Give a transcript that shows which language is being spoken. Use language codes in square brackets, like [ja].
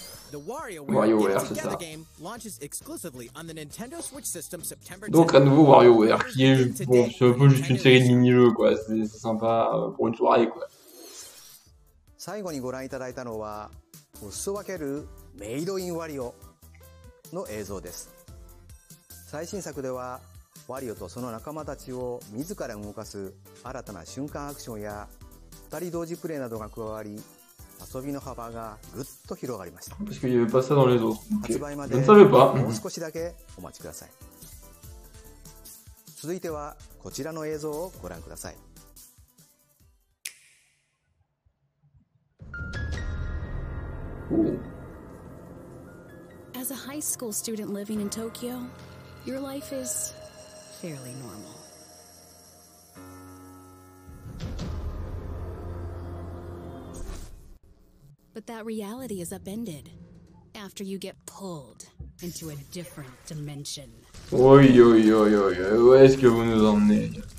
[en] The WarioWare Together game launches exclusively on the Nintendo Switch system September 10th. [fr] Donc à nouveau WarioWare, qui est bon, c'est un peu juste une série de mini-jeux, quoi. C'est sympa pour une soirée, quoi. [ja] 最後にご覧いただいたのは、お裾分けるメイドインワリオの映像です。最新作ではワリオとその仲間たちを自ら動かす新たな瞬間アクションや二人同時プレイなどが加わり。遊びの幅がぐっと広がりました。確かに言えばさだねぞ。発売までもう少しだけお待ちください。続いてはこちらの映像をご覧ください。 [en] As a high school student living in Tokyo, your life is fairly normal. But that reality is upended after you get pulled into a different dimension. [fr] Oi, oi, oi, oi, oi, où est-ce que vous nous emmenez?